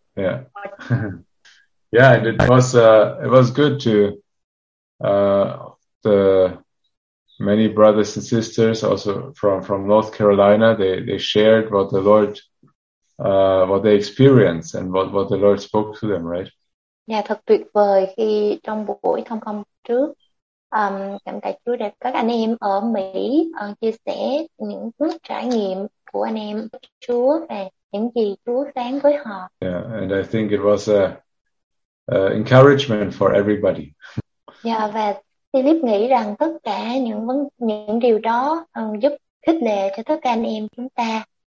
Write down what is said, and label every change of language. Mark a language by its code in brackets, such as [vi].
[en] Yeah, and it was good to the many brothers and sisters also from North Carolina. They shared what the Lord what they experienced and what the Lord spoke to them, right? [vi] Yeah, thật tuyệt vời khi trong buổi thông công trước, cảm tạ Chúa đẹp các anh em ở Mỹ chia sẻ những bước trải nghiệm của anh em Chúa và những gì Chúa phán với họ. [en] And I think it was a encouragement for everybody. [vi] Yeah, và Philip nghĩ rằng tất cả những điều đó giúp khích lệ cho tất cả anh em chúng ta.